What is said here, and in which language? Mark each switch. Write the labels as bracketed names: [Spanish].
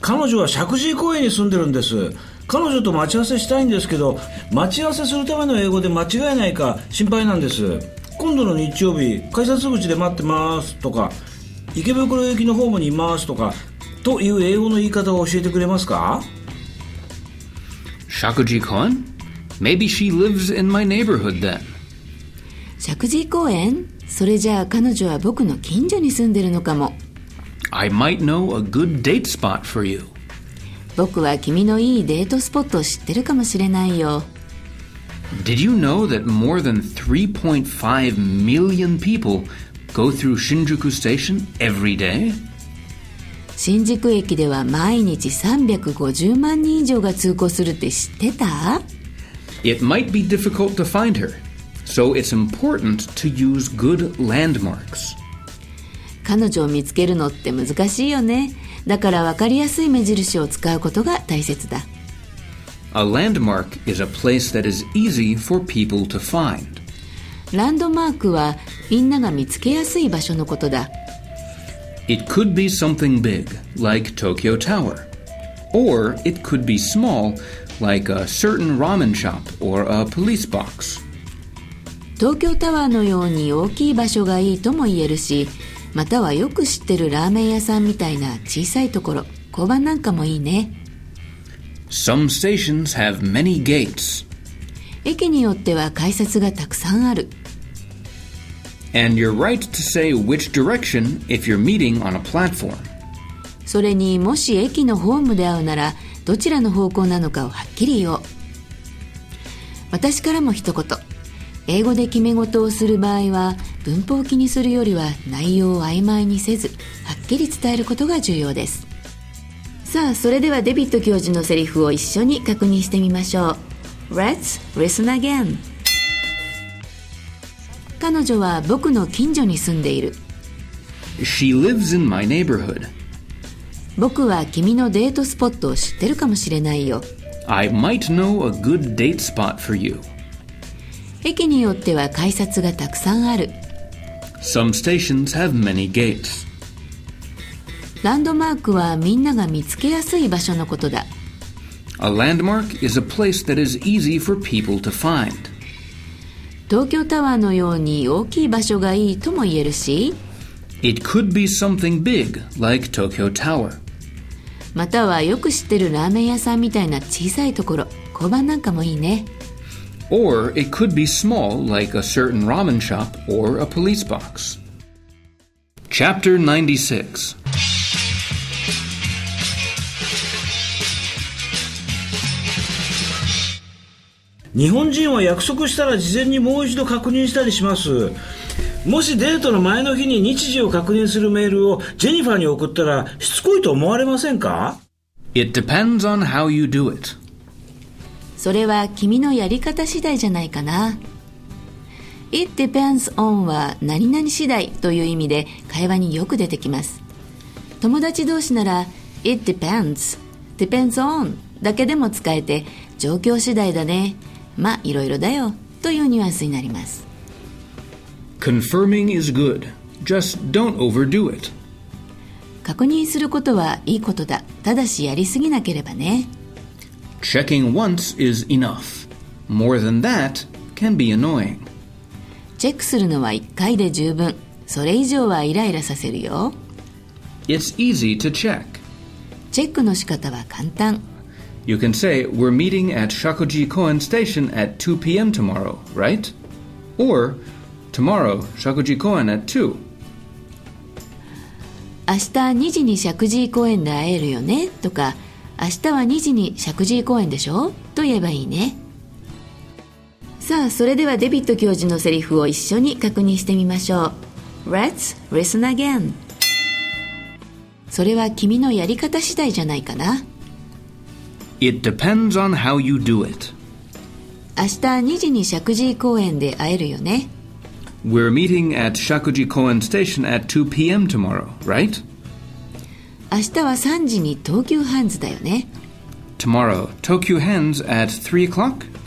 [Japanese] 彼女は石神井公園に住んでるんです。彼女と待ち合わせしたいんですけど、待ち合わせするための英語で間違えないか心配なんです。今度の日曜日、改札口で待ってますとか、池袋行きのホームにいますとか、という英語の言い方を教えてくれますか？石神井公園？ [English] Maybe she lives in my neighborhood then. [Japanese] 石神井公園？それじゃあ彼女は僕の近所に住んでるのかも。 [English] I might know a good date spot for you. [Japanese] 僕は君のいいデートスポットを知ってるかもしれないよ。 [English] Did you know that more than 3.5 million people go through Shinjuku Station every day? [Japanese] 新宿駅では毎日350万人以上が通行するって知ってた？ [English] It might be difficult to find her, so it's important to use good landmarks. [Japanese] 彼女を見つけるのって難しいよね。だから分かりやすい目印を使うことが大切だ。 [English] A landmark is a place that is easy for people to find. [Japanese] ランドマークはみんなが見つけやすい場所のことだ。 [English] It could be something big, like Tokyo Tower. Or it could be small,Like a certain ramen shop or a police box. [Japanese] 東京タワーのように大きい場所がいいとも言えるし、またはよく知ってるラーメン屋さんみたいな小さいところ、交番なんかもいいね。 [English] Some stations have many gates. [Japanese] 駅によっては改札がたくさんある。 [English] And you're right to say which direction if you're meeting on a platform. [Japanese] それにもし駅のホームで会うなら、どちらの方向なのかをはっきり言おう。私からも一言。英語で決め事をする場合は、文法を気にするよりは内容を曖昧にせず、はっきり伝えることが重要です。さあ、それではデビット教授のセリフを一緒に確認してみましょう。 [English] Let's listen again. [Japanese] 彼女は僕の近所に住んでいる。 [English] She lives in my neighborhood. [Japanese] 僕は君のデートスポットを知ってるかもしれないよ。 [English] I might know a good date spot for you. [Japanese] 駅によっては改札がたくさんある。 [English] Some stations have many gates. [Japanese] ランドマークはみんなが見つけやすい場所のことだ。 [English] A landmark is a place that is easy for people to find. [Japanese] 東京タワーのように大きい場所がいいとも言えるし、 [English] It could be something big, like Tokyo Tower. [Japanese] またはよく知ってるラーメン屋さんみたいな小さいところ、交番なんかもいいね。 [English] Or it could be small, like a certain ramen shop or a police box. Chapter [Japanese] 96。 日本人は約束したら事前にもう一度確認したりします。もしデートの前の日に日時を確認するメールをジェニファーに送ったらしつこいと思われませんか？ [English] It depends on how you do it. [Japanese] それは君のやり方次第じゃないかな。It depends on は何々次第という意味で会話によく出てきます。友達同士なら It depends depends on だけでも使えて、状況次第だね、まあいろいろだよというニュアンスになります。 [English] Confirming is good. Just don't overdo it. [Japanese] 確認することはいいことだ、ただしやりすぎなければね。 [English] Checking once is enough. More than that can be annoying. [Japanese] チェックするのは1回で十分、それ以上はイライラさせるよ。 [English] It's easy to check. [Japanese] チェックの仕方は簡単。 [English] You can say, we're meeting at Shakuji Koen Station at 2 p.m. tomorrow, right? Or, tomorrow, Shakuji Koen at 2. [Japanese] 明日2時に Shakuji Koen で会えるよね、とか、明日は2時に Shakuji Koen でしょ、と言えばいいね。さあ、それではデビット教授のセリフを一緒に確認してみましょう。 [English] Let's listen again. [Japanese] それは君のやり方次第じゃないかな。 [English] It depends on how you do it. [Japanese] 明日2時に Shakuji Koen で会えるよね。 [English] We're meeting at Shakuji Koen Station at 2 p.m. tomorrow, right? [Japanese] 明日は3時に東急ハンズだよね。 [English] Tomorrow, Tokyo Hands at 3 o'clock?